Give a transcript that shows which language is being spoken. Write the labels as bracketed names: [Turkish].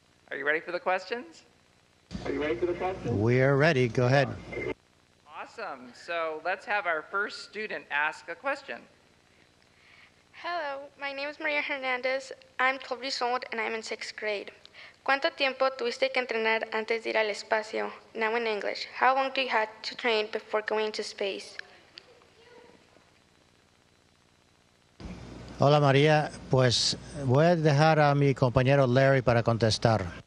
[English] Are you ready for the questions? Are you ready for the questions? We are ready. Go ahead. Awesome. So let's have our first student ask a question. Hello. My name is Maria Hernandez. I'm 12 years old, and I'm in sixth grade. [Spanish] ¿Cuánto tiempo tuviste que entrenar antes de ir al espacio? [English] Now in English, how long do you have to train before going to space? [Spanish] Hola, María. Pues voy a dejar a mi compañero Larry para contestar.